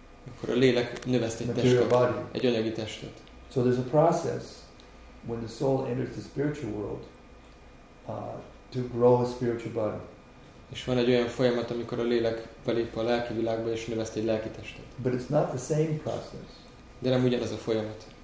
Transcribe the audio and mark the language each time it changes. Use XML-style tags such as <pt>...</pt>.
<hu>Akkor a lélek növeszt egy testet, egy anyagi testet.</hu> <en>So there's a process when the soul enters the spiritual world to grow a spiritual body.</en> <hu>És van egy olyan folyamat, amikor a lélek belép a lelki világba és növeszt egy lelki testet.</hu> <en>But it's not the same process.</en> <hu>De nem ugyanaz a folyamat.</hu>